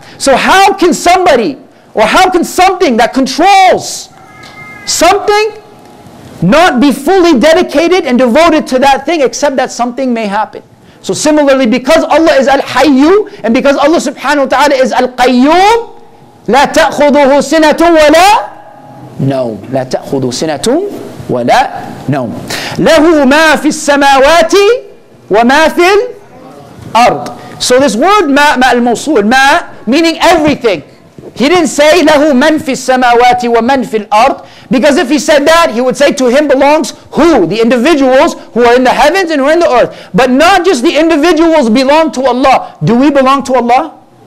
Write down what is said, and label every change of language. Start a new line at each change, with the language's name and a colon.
English: So how can somebody, or how can something that controls something not be fully dedicated and devoted to that thing, except that something may happen? So similarly, because Allah is Al-Hayyu, and because Allah subhanahu wa ta'ala is Al-Qayyum,
Arabic: لا تأخذه سنة ولا نوم. لا تأخذه سنة ولا نوم. له ما في السماوات وما في الأرض.
English: So this word
Arabic: ما الموصول ما
English: meaning everything. He didn't say
Arabic: له من في السماوات ومن في الأرض,
English: because if he said that, he would say to him belongs who, the individuals who are in the heavens and who are in the earth. But not just the individuals belong to Allah. Do we belong to Allah?